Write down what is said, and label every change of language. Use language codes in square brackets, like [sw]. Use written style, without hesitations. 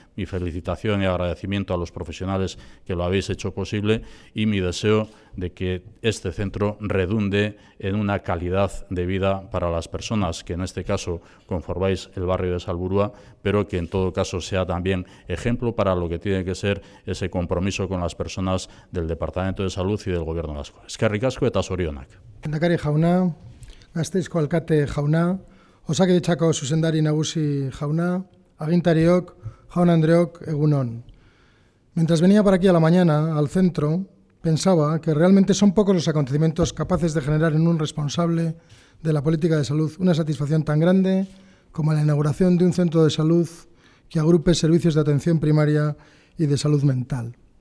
[es] Mi felicitación y agradecimiento a los profesionales que lo habéis hecho posible y mi deseo de que este centro redunde en una calidad de vida para las personas que en este caso conformáis el barrio de Salburua, pero que en todo caso sea también ejemplo para lo que tiene que ser ese compromiso con las personas del Departamento de Salud y del Gobierno Vasco. [eu] Eskerrik asko eta zorionak. Lehendakari jauna, Gasteizko alkate jauna, Osakidetzako zuzendari nagusi jauna, agintariok, jaun andreok, egunon. [es] Mientras venía para aquí a la mañana, al centro, pensaba que realmente son pocos los acontecimientos capaces de generar en un responsable de la política de salud una satisfacción tan grande como la inauguración de un centro de salud que agrupe servicios de atención primaria y de salud mental.